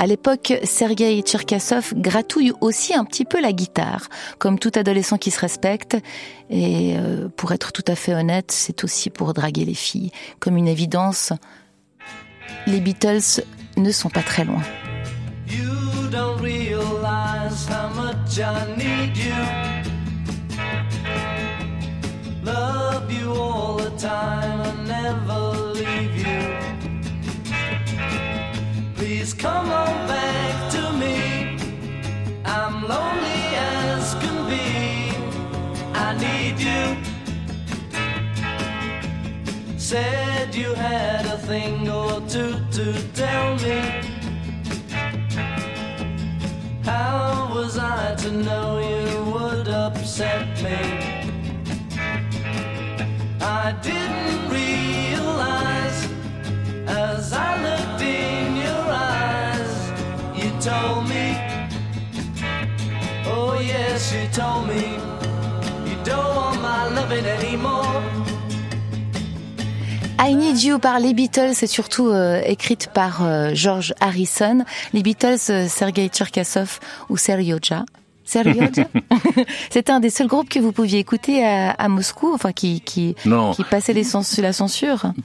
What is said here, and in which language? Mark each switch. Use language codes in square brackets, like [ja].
[fr] À l'époque, Sergueï Tcherkassov gratouille aussi un petit peu la guitare, comme tout adolescent qui se respecte. Et pour être tout à fait honnête, c'est aussi pour draguer les filles. Comme une évidence, les Beatles ne sont pas très loin. [en] You don't realize how much I need you. Love you all the time, I never leave you. Please come on back to me. I'm lonely as can be. I need you. Said you had a thing or two to tell me. How was I to know you would upset me? I didn't realize as I looked in your eyes, you told me, oh yes, you told me, you don't want my loving anymore. [fr] I Need You par les Beatles est surtout écrite par George Harrison. Les Beatles, Sergueï Tcherkassov ou Serioja. Sergio Orgia. C'est un des seuls groupes que vous pouviez écouter à Moscou, enfin qui passait la censure.